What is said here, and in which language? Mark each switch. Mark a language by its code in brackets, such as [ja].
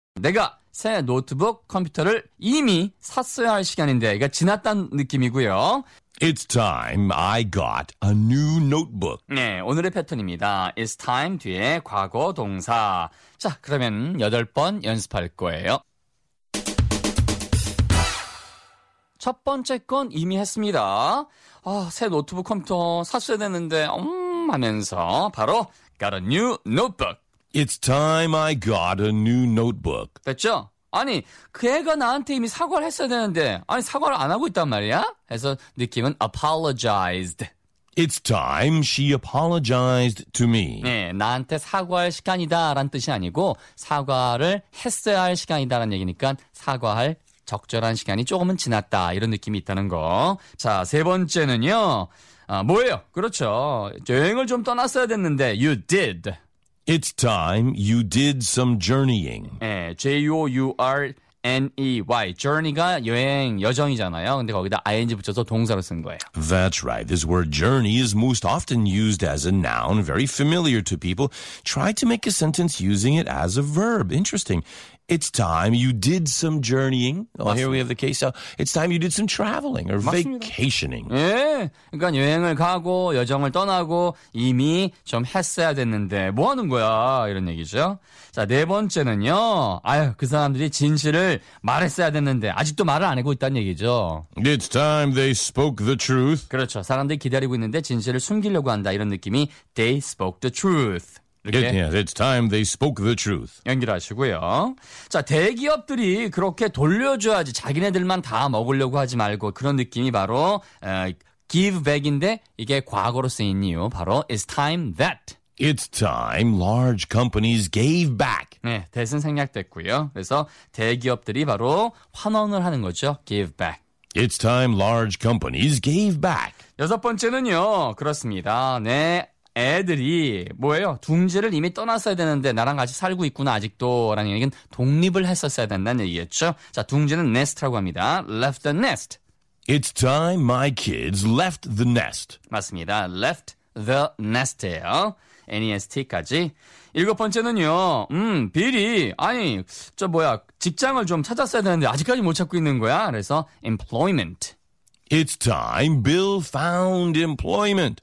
[ko] 내가 새 노트북 컴퓨터를 이미 샀어야 할 시간인데 이거 지났다는 느낌이고요. [en] It's time I got a new notebook. [ko] 네, 오늘의 패턴입니다. [en] It's time [ko] 뒤에 과거 동사. 자, 그러면 8번 연습할 거예요. 첫 번째 건 이미 했습니다. 아, 새 노트북 컴퓨터 샀어야 되는데 하면서 바로 [en] got a new notebook. It's time I got a new notebook. [ko] 됐죠? 아니, 그 애가 나한테 이미 사과를 했어야 되는데 아니, 사과를 안 하고 있단 말이야? 해서 느낌은 apologized. [en] It's time she apologized to me. [ko] 네, 나한테 사과할 시간이다 라는 뜻이 아니고 사과를 했어야 할 시간이다 라는 얘기니까 사과할 적절한 시간이 조금은 지났다 이런 느낌이 있다는 거. 자, 세 번째는요. 아, 뭐예요? 그렇죠. 여행을 좀 떠났어야 됐는데 [en] you did. It's time you did some journeying. 네, J-O-U-R-N-E-Y. [ko] Journey가 여행, 여정이잖아요. 근데 거기다 ing 붙여서 동사로 쓴 거예요. [en] That's right. This word journey is most often used as a noun, very familiar to people. Try to make a sentence using it as a verb. Interesting. It's time you did some journeying. Oh, here we have the case. It's time you did some traveling or [ko] 맞습니다. [en] vacationing. [ko] 예, 그러니까 여행을 가고 여정을 떠나고 이미 좀 했어야 됐는데 뭐 하는 거야 이런 얘기죠. 자, 네 번째는요. 아유, 그 사람들이 진실을 말했어야 됐는데 아직도 말을 안 하고 있다는 얘기죠. [en] It's time they spoke the truth. [ko] 그렇죠. 사람들이 기다리고 있는데 진실을 숨기려고 한다 이런 느낌이 [en] they spoke the truth. It's time they spoke the truth. [ko] 연결하시고요. 자, 대기업들이 그렇게 돌려줘야지 자기네들만 다 먹으려고 하지 말고 그런 느낌이 바로 give back인데 이게 과거로 쓰인 이유 바로 [en] it's time that. It's time large companies gave back. [ko] 네, 대신 생략됐고요. 그래서 대기업들이 바로 환원을 하는 거죠. [en] Give back. It's time large companies gave back. [ko] 여섯 번째는요. 그렇습니다. 네. 애들이 뭐예요? 둥지를 이미 떠났어야 되는데 나랑 같이 살고 있구나 아직도 라는 얘기는 독립을 했었어야 된다는 얘기겠죠. 자, 둥지는 nest라고 합니다. [en] Left the nest. It's time my kids left the nest. [ko] 맞습니다. [en] Left the nest [ko] 예요. NEST까지. 일곱 번째는요. 빌이 아니 저 뭐야 직장을 좀 찾았어야 되는데 아직까지 못 찾고 있는 거야. 그래서 employment. [en] It's time Bill found employment.